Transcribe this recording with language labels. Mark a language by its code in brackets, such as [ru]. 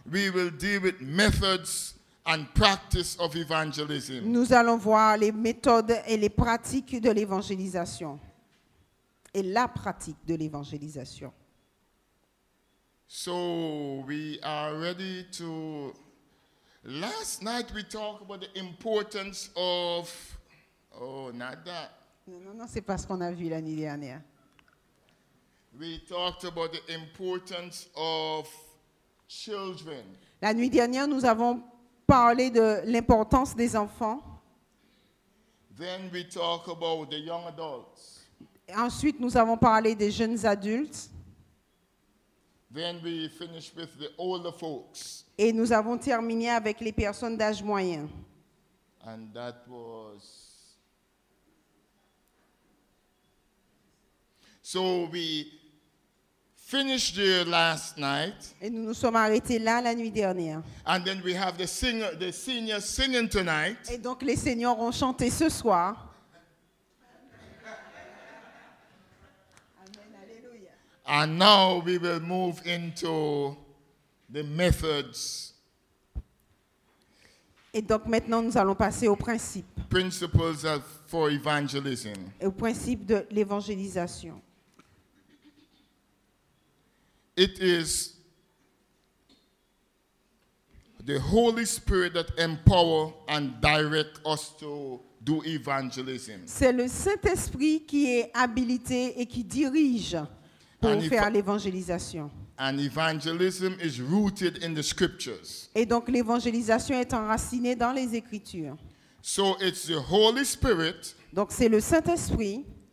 [en] we will deal with methods and practice of evangelism. [fr] Nous allons voir les méthodes et les pratiques de l'évangélisation. Et la pratique de l'évangélisation. [en] So we are ready to. Last night we talked about the importance of. Oh, not that. [fr] Non, c'est pas ce qu'on a vu la nuit dernière. [en] We talked about the importance of children. [fr] La nuit dernière, nous avons parlé de l'importance des enfants. [en] Then we talk about the young adults. [fr] Ensuite, nous avons parlé des jeunes adultes. [en] Then we finished with the older folks. [fr] Et nous avons terminé avec les personnes d'âge moyen. [en] And that was... So we finished there last night. [fr] Et nous nous sommes arrêtés là la nuit dernière. [en] And then we have the seniors singing tonight. [fr] Et donc les seniors ont chanté ce soir. [en] And now we will move into the methods. [fr] Et donc maintenant nous allons passer aux principes. [en] Principles for evangelism. [fr] Et aux principes de l'évangélisation. [en] It is the Holy Spirit that empowers and directs us to do evangelism. [fr] C'est le Saint-Esprit qui est habilité et qui dirige. Pour faire l'évangélisation. [en] And evangelism is rooted in the scriptures. [fr] Et donc l'évangélisation est enracinée dans les Écritures. [en] So it's the Holy Spirit. [fr] Donc c'est le Saint-Esprit.